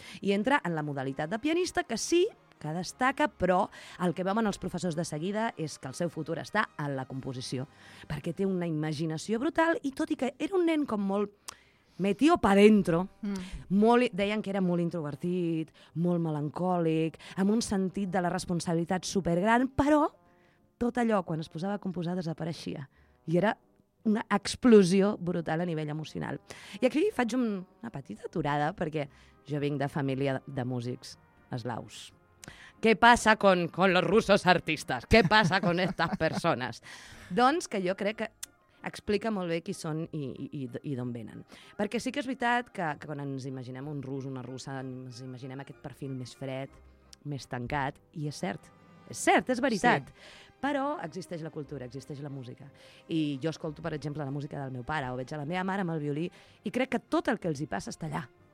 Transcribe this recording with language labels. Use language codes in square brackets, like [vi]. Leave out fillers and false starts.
[ca] I entra en la modalitat de pianista, que sí que destaca, però el que veuen els professors de seguida és que el seu futur està en la composició, perquè té una imaginació brutal i tot i que era un nen com molt [es] metió pa dentro, [ca] molt, deien que era molt introvertit, molt melancòlic, amb un sentit de la responsabilitat supergran, però tot allò, quan es posava a composar, desapareixia. I era una explosió brutal a nivell emocional. I aquí faig una petita aturada, perquè jo vinc de família de músics eslaus. [es] ¿Qué pasa con los rusos artistas? ¿Qué pasa con estas personas? [ca] Doncs que jo crec que explica molt bé qui són i d'on venen. Perquè sí que és veritat que quan ens imaginem un rus, una russa, ens imaginem aquest perfil més fred, més tancat, i és cert. És cert, és veritat. Sí. Però existeix la cultura, existeix la música. I jo escolto, per exemple, la música del meu pare o veig a la meva mare amb el violí i crec que tot el que els hi passa està allà.